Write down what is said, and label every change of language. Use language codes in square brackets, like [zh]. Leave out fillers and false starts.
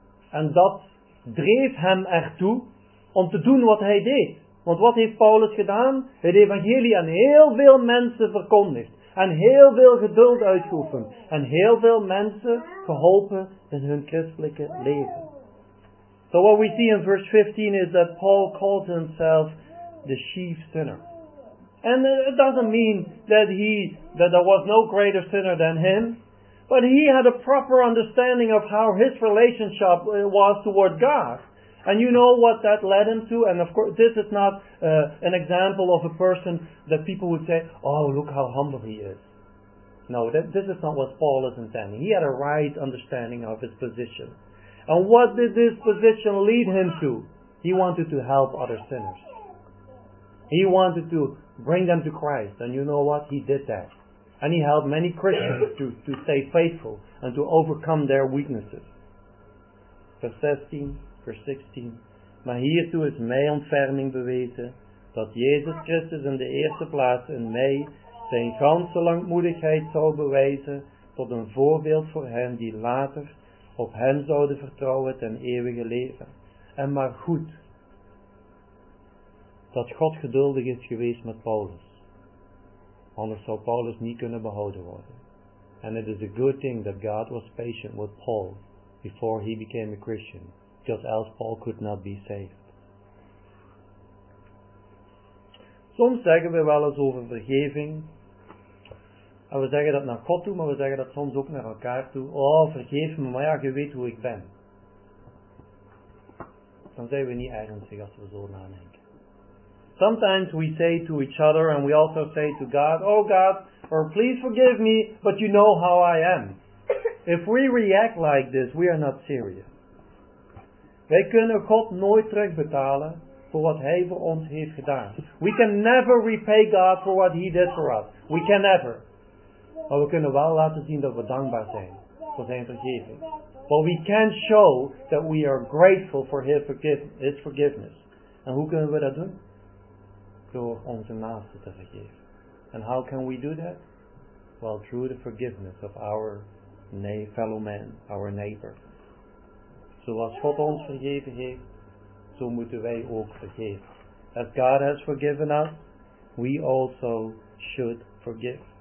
[nl] En dat dreef hem ertoe om te doen wat hij deed. Want wat heeft Paulus gedaan? Het evangelie aan heel veel mensen verkondigd. En heel veel geduld uitgeoefend. En heel veel mensen geholpen in hun christelijke leven. [en] So what we see in verse 15 is that Paul calls himself the chief sinner. And it doesn't mean that that there was no greater sinner than him. But he had a proper understanding of how his relationship was toward God. And you know what that led him to? And of course, this is not an example of a person that people would say, oh, look how humble he is. No, this is not what Paul is intending. He had a right understanding of his position. And what did this position lead him to? He wanted to help other sinners. He wanted to bring them to Christ. And you know what? He did that. And he helped many Christians to stay faithful and to overcome their weaknesses. Verse 16. [nl] Maar hiertoe is mij ontferming bewezen, dat Jezus Christus in de eerste plaats in mij zijn ganse langmoedigheid zou bewijzen tot een voorbeeld voor hen die later op hem zouden vertrouwen ten eeuwige leven. En maar goed dat God geduldig is geweest met Paulus. Anders zou Paulus niet kunnen behouden worden. [en] And it is a good thing that God was patient with Paul before he became a Christian, because else Paul could not be saved. [nl] Soms zeggen we wel eens over vergeving. En we zeggen dat naar God toe, maar we zeggen dat soms ook naar elkaar toe. Oh, vergeef me, maar ja, je weet hoe ik ben. Dan zijn we niet ernstig als we zo nadenken. [en] Sometimes we say to each other and we also say to God, oh God, or please forgive me, but you know how I am. If we react like this, we are not serious. [nl] Wij kunnen God nooit terugbetalen voor wat hij voor ons heeft gedaan. [en] We can never repay God for what he did for us. We can never. [nl] Maar we kunnen wel laten zien dat we dankbaar zijn voor zijn vergeving. [en] But we can show that we are grateful for his forgiveness. [nl] En hoe kunnen we dat doen? Door onze naasten te vergeven. [en] And how can we do that? Well, through the forgiveness of our fellow man, our neighbor. [nl] Zoals God ons vergeven heeft, zo moeten wij ook vergeven. [en] As God has forgiven us, we also should forgive.